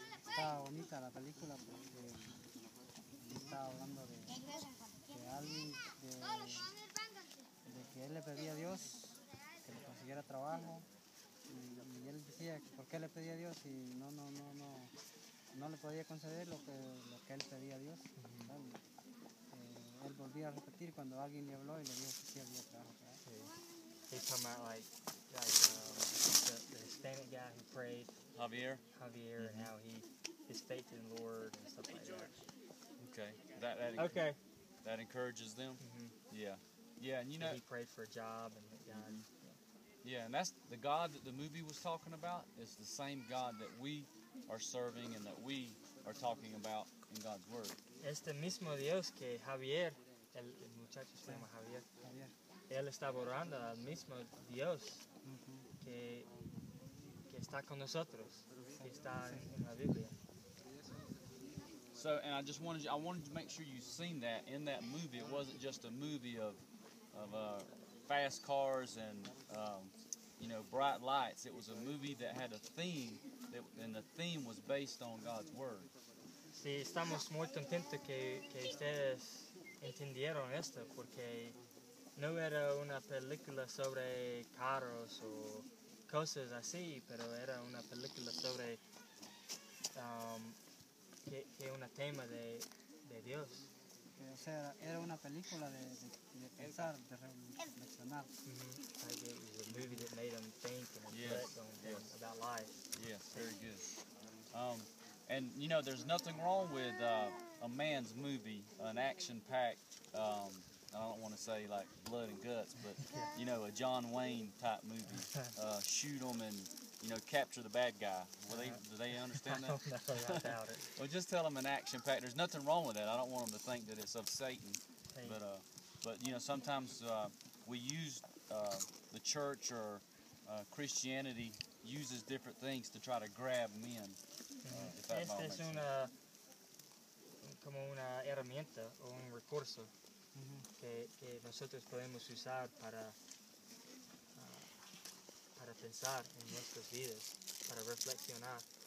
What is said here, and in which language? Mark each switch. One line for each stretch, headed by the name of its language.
Spanish: Está bonita la película porque está hablando de alguien de que él le pedía a Dios que le consiguiera trabajo y él decía que por qué le pedía a Dios y no le podía conceder lo que él pedía a Dios. Él volví a repetir cuando alguien le habló y le dijo que sí había trabajo. Sí.
English: He's talking about like the Hispanic guy who prayed. Javier, mm-hmm. And how he his faith in the Lord and stuff like that. Okay. Okay. That encourages them. Mm-hmm. Yeah. Yeah, and you know, he prayed for a job and that God. Mm-hmm. Yeah, and that's the God that the movie was talking about is the same God that we are serving and that we are talking about in God's Word.
Spanish: Este mismo Dios que Javier, el muchacho se llama Javier. Javier. Él está orando al mismo Dios que está con nosotros, que está en la Biblia.
English: So, and I wanted to make sure you've seen that in that movie. It wasn't just a movie of fast cars and bright lights. It was a movie that had a theme, and the theme was based on God's Word.
Spanish: Sí, estamos muy contentos que ustedes entendieron esto, porque no era una película sobre carros o cosas así, pero era una película sobre que un tema de Dios. O sea, era una película de pensar, de reflexionar. Mm-hmm.
English: Like it was a movie that made them think and reflect on about life. Yes, very good. And you know, there's nothing wrong with a man's movie, an action-packed. I don't want to say like blood and guts, but you know, a John Wayne type movie. Shoot them and capture the bad guy. Do they understand that? I doubt it. Well, just tell them an action-packed. There's nothing wrong with that. I don't want them to think that it's of Satan. Hey. But you know, sometimes we use the church or Christianity uses different things to try to grab men.
Spanish: Esta es una como una herramienta o un recurso que nosotros podemos usar para pensar en nuestras vidas, para reflexionar